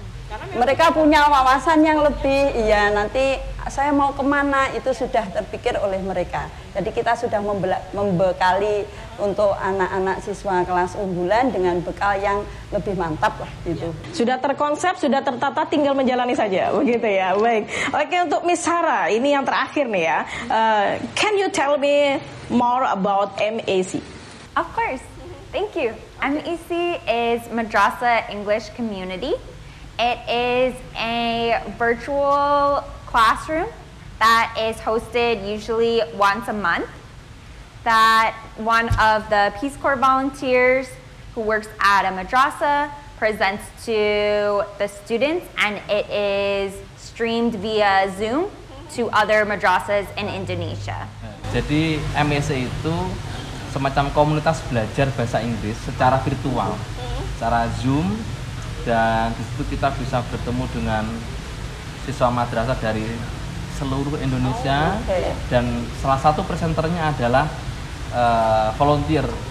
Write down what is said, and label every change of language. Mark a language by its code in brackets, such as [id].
[id] Mereka punya wawasan yang lebih, iya nanti saya mau kemana itu sudah terpikir oleh mereka. Jadi kita sudah membekali untuk anak-anak siswa kelas unggulan dengan bekal yang lebih mantap lah gitu. Sudah terkonsep, sudah tertata, tinggal menjalani saja begitu ya. Baik, oke, untuk Miss Hara ini yang terakhir nih ya. [en] Can you tell me more about MAC? Of course, thank you. MAC is Madrasah English Community. It is a virtual classroom that is hosted usually once a month that one of the Peace Corps volunteers who works at a madrasa presents to the students, and it is streamed via Zoom to other madrasas in Indonesia. [id] Jadi MSA itu semacam komunitas belajar bahasa Inggris secara virtual, secara Zoom. Dan di situ kita bisa bertemu dengan siswa madrasah dari seluruh Indonesia. Dan salah satu presenternya adalah volunteer.